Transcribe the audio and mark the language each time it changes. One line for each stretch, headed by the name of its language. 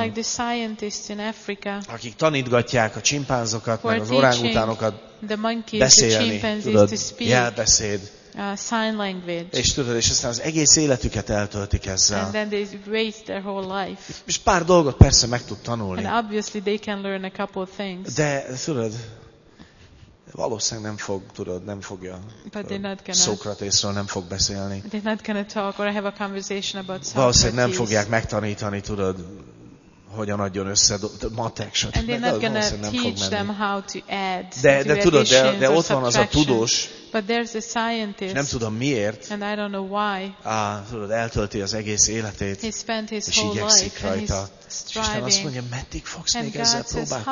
English: like the scientists in Africa,
Hungarian: akik tanítgatják a csimpánzokat, meg az orángutánokat
English: the monkeys,
Hungarian: beszélni,
English: the
Hungarian: tudod,
English: to speak,
Hungarian: jelbeszéd.
English: Sign language.
Hungarian: És tudod, és aztán az egész életüket eltöltik ezzel.
English: And then they waste their whole life.
Hungarian: És pár dolgot persze meg tud tanulni.
English: And obviously they can learn a couple of things.
Hungarian: De tudod, Valószínűleg nem fog, tudod, nem fogja Szókratészről nem fog beszélni.
English: They're not gonna talk or have a conversation about Socrates.
Hungarian: Valószínűleg nem fogják megtanítani, tudod, hogyan adjon össze matekset.
English: And they're not gonna teach them how to add.
Hungarian: De tudod, de ott van az a tudós.
English: But there's a scientist.
Hungarian: És nem tudom miért.
English: And I don't know why.
Hungarian: Tudod, eltölti az egész életét.
English: He spent his whole life rajta. And he's striving.
Hungarian: És azt mondja, meddig fogsz még ezzel próbálkozni?